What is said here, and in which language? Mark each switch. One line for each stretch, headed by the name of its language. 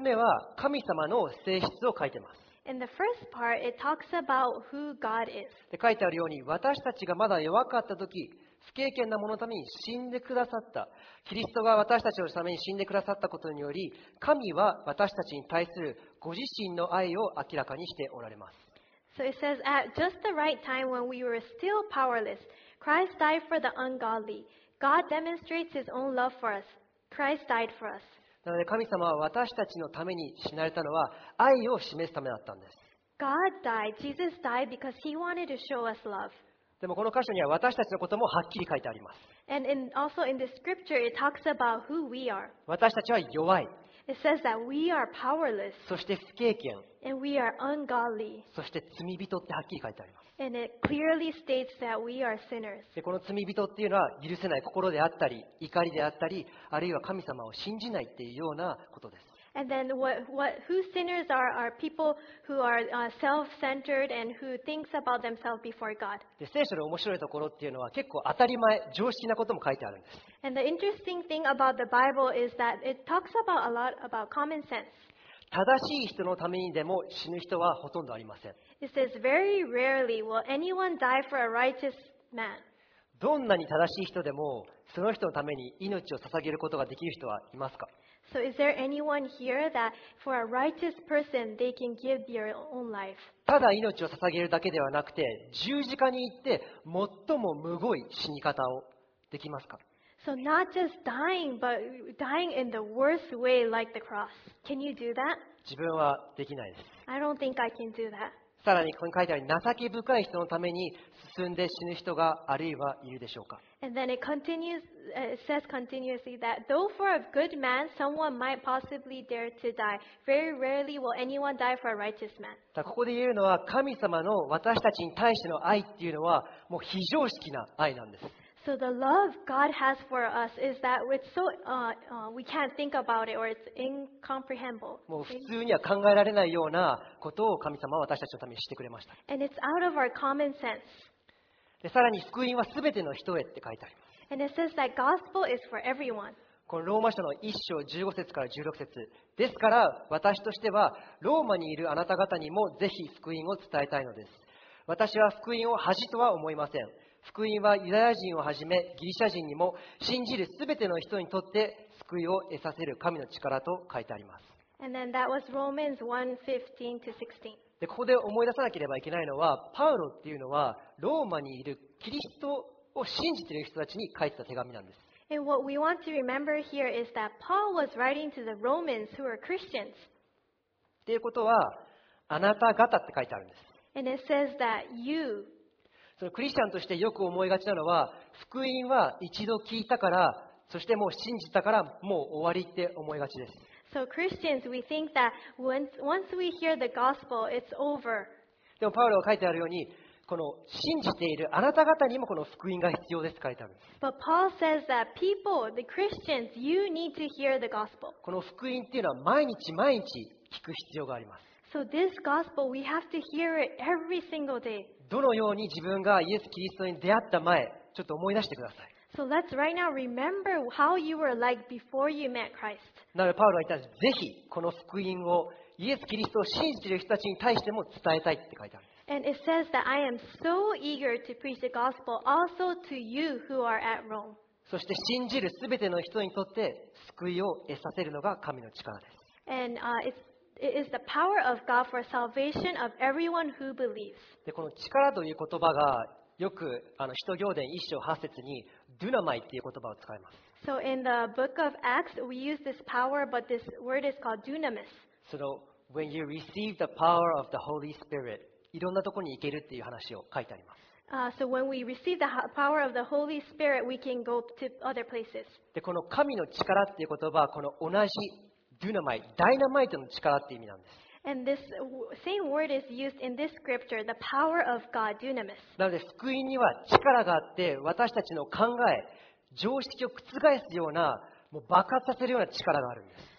Japanese: 目は神様の性質を書いてます。
English: In the first part, it talks about who God is.
Japanese: で書いてあるように、私たちがまだ弱かった時、不経験な者のために死んでくださった、キリストが私たちのために死んでくださったことにより、神は私たちに対するご自身の愛を明らかにしておられます。
English: So it says, at just the right time when we were still powerless, Christ died for the ungodly. God demonstrates his own love for us. Christ died for us.
Japanese: なので神様は私たちのために死なれたのは愛を示すためだったんです。
English: God died. Jesus died because he wanted to show us love.
Japanese: でもこの箇所には私たちのこともはっきり書いてあります。
English: And in, also in the scripture it talks about who we are.
Japanese: 私たちは弱い。
English: It says that we are powerless.
Japanese: そして不経験。
English: And we are ungodly.
Japanese: そして罪人ってはっきり書いてあります。
English: And it clearly states that we are sinners.
Japanese: でこの罪人っていうのは許せない心であったり怒りであったり、あるいは神様を信じないっていうようなことです。
English: And then who sinners are people who are self-centered and who thinks about themselves before God.
Japanese: で聖書の面白いところっていうのは結構当たり前、常識なことも書いてあるんです。
English: And the interesting thing about the Bible is that it talks about a lot about common sense.
Japanese: 正しい人のためにでも死ぬ人はほとんどありません。
English: It says very rarely will anyone die for a righteous man.
Japanese: どんなに正しい人でもその人のために命を捧げることができる人はいますか？
English: So is there anyone here that for a righteous person they can give their own life?
Japanese: ただ命を捧げるだけではなくて、十字架に行って最もむごい死に方をできますか？
English: So not just dying, but dying in the worst way like the cross. Can you do that?
Japanese: 自分はできないです。
English: I don't think I can do that.
Japanese: さらにここに書いてある情け深い人のために進んで死ぬ人があるいはいるでしょうか。
English: And then it continues, it says continuously that though for a good man, someone might possibly dare to die. Very rarely will anyone die for a righteous man.
Japanese: ここで言えるのは神様の私たちに対しての愛っていうのはもう非常識な愛なんです。
English: So the love God has for us is that it's so we can't think about it or it's incomprehensible.
Japanese: もう普通には考えられないようなことを神様は私たちのためにしてくれました。
English: And it's out of our common sense.
Japanese: でさらに福音はすべての人へって書いてあります。
English: And it says that gospel is for everyone.
Japanese: このローマ書の1章15節から16節。ですから私としてはローマにいるあなた方にもぜひ福音を伝えたいのです。私は福音を恥とは思いません。福音はユダヤ人をはじめギリシャ人にも信じるすべての人にとって救いを得させる神の力と書いてあります。
English: And then that was Romans 1:15-16.
Japanese: でここで思い出さなければいけないのは、パウロっていうのはローマにいるキリストを信じている人たちに書いてた手紙なんです。
English: And what we want to remember here is that Paul was writing to the Romans who are Christians.
Japanese: っていうことはあなた方って書いてあるんです。
English: And it says that you
Japanese: そのクリスチャンとしてよく思いがちなのは、福音は一度聞いたから、そしてもう信じたからもう終わりって思いがちです。
English: So Christians, we think that once we hear the gospel, it's over.
Japanese: でもパウロが書いてあるように、この信じているあなた方にもこの福音が必要ですって書いてあるんです。
English: But Paul says that people, the Christians, you need to hear the gospel.
Japanese: この福音っていうのは毎日毎日聞く必要があります。
English: So this gospel, we have to hear it every single day.
Japanese: どのように自分がイエス・キリストに出会った前、ちょっと思い出してください。
English: So let's right now remember how you were like before you met Christ.
Japanese: なので、パウロは言ったんです。ぜひ、この福音をイエス・キリストを信じている人たちに対しても伝えたいって書いてあるんです。
English: And it says that I am so eager to preach the gospel also to you who are at Rome.
Japanese: そして、信じるすべての人にとって救いを得させるのが神の力です。
English: And, It is the power of God for salvation of everyone who believes.
Japanese: で、この力という言葉がよく使徒行伝1章8節にドゥナマイという言葉を使います。
English: So in the book of Acts, we use this power, but this word is called dunamis. So when you receive the power of the Holy Spirit,
Japanese: いろんなところに行けるっていう話を書いてあります。
English: So when we receive the power of the Holy Spirit, we can go to other places.
Japanese: で、この神の力っていう言葉はこの同じドゥナマイ、ダイナマイトの力って意味なんです。
English: And this same word is used in this scripture, the power of God, dunamis.
Japanese: なので福音には力があって、私たちの考え、常識を覆すような、もう爆発させるような力があるんです。